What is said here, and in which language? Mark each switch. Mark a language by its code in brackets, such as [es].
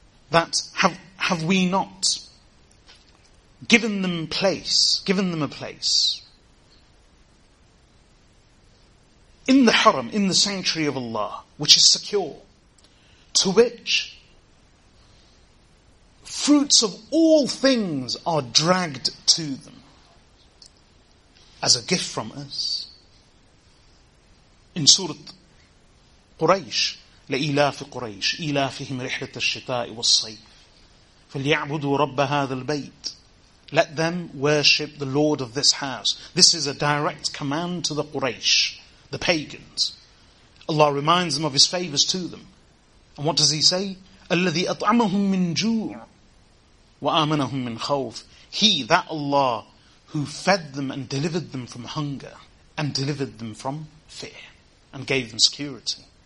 [en] That have we not given them a place in the haram, in the sanctuary of Allah, which is secure, to which fruits of all things are dragged to them as a gift from us. In Surah Quraysh, [ar] لإلاف قريش إلافهم رحلة الشتاء والصيف فليعبدوا رب هذا البيت. [en] Let them worship the Lord of this house. This is a direct command to the Quraysh, the pagans. Allah reminds them of his favors to them. And what does he say? [ar] الَّذِي أَطْعَمَهُمْ مِنْ جُوعٍ وَآمَنَهُمْ مِنْ خَوْفٍ. [en] He, that Allah, who fed them and delivered them from hunger and delivered them from fear and gave them security.